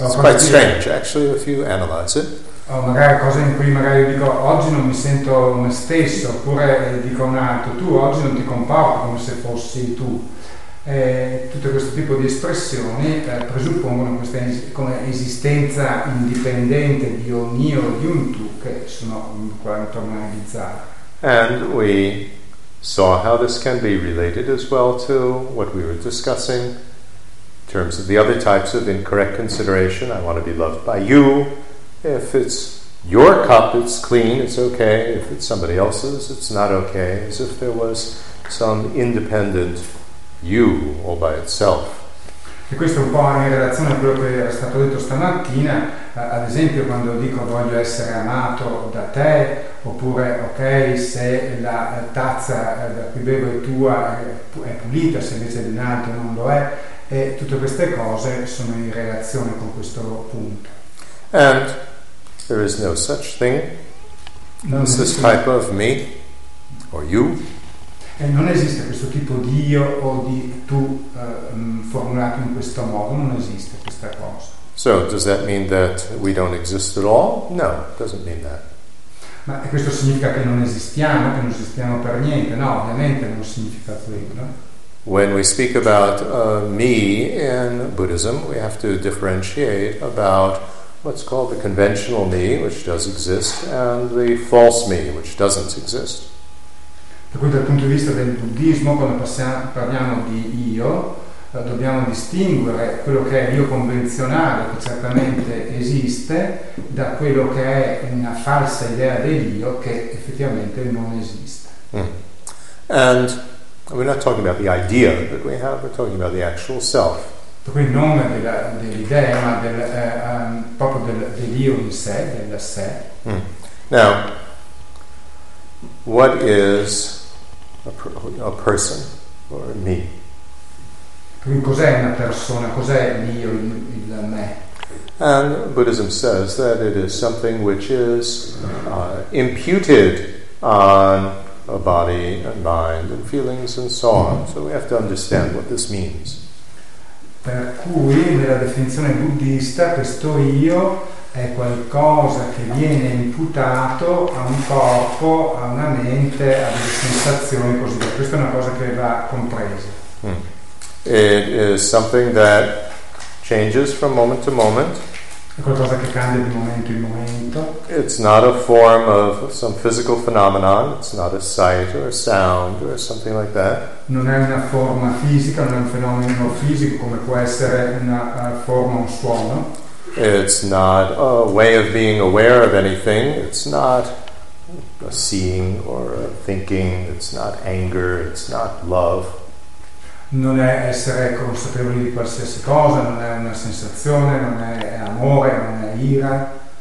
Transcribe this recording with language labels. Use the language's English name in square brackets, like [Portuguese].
[English] It's quite strange, actually, if you analyze it. [Italian] Magari cose in cui magari io dico oggi non mi sento me stesso, oppure dico un altro, tu oggi non ti comporti come se fossi tu. Tutto questo tipo di espressioni presuppongono questa come esistenza indipendente di un io e di un tu, che sono in quanto mai bizzarre. [English] And we saw how this can be related as well to what we were discussing in terms of the other types of incorrect consideration. I want to be loved by you. If it's your cup, it's clean, it's okay. If it's somebody else's, it's not okay. As if there was some independent you all by itself. [Italian] E questo è un po' in relazione a quello che era stato detto stamattina, ad esempio quando dico voglio essere amato da te, oppure ok, se la tazza da cui bevo è tua, è pulita, se invece di un altro non lo è, e tutte queste cose sono in relazione con questo punto. [English] And there is no such thing as this type of me or you. [Italian] E non esiste questo tipo di io o di tu formulato in questo modo, non esiste questa cosa. [English] So, does that mean that we don't exist at all? No, it doesn't mean that. [Italian] Ma questo significa che non esistiamo, che non esistiamo per niente? No, ovviamente non significa quello. [English] When we speak about me in Buddhism, we have to differentiate about what's called the conventional me, which does exist, and the false me, which doesn't exist. [Italian] Per cui dal punto di vista del buddismo, quando parliamo di io, dobbiamo distinguere quello che è l'io convenzionale, che certamente esiste, da quello che è una falsa idea dell'io che effettivamente non esiste. [English] And we're not talking about the idea that we have, we're talking about the actual self. [Italian] Per cui non dell'idea, ma proprio dell'io in sé, della sé. [English] Now, what is a person or me? [Italian] Cos'è una persona? Cos'è l'io, il me? [English] And Buddhism says that it is something which is imputed on a body and mind and feelings and so on. So we have to understand what this means. [Italian] Per cui nella definizione buddista questo io è qualcosa che viene imputato a un corpo, a una mente, a delle sensazioni, così via. Questa è una cosa che va compresa. [English] It is something that changes from moment to moment. [Italian] È qualcosa che cambia di momento in momento. [English] It's not a form of some physical phenomenon. It's not a sight or a sound or something like that. [Italian] Non è una forma fisica, non è un fenomeno fisico come può essere una forma o un suono. It's not a way of being aware of anything. It's not a seeing or a thinking. It's not anger. It's not love. Non è essere consapevoli di qualsiasi cosa. Non è una sensazione. Non è amore. Non è ira.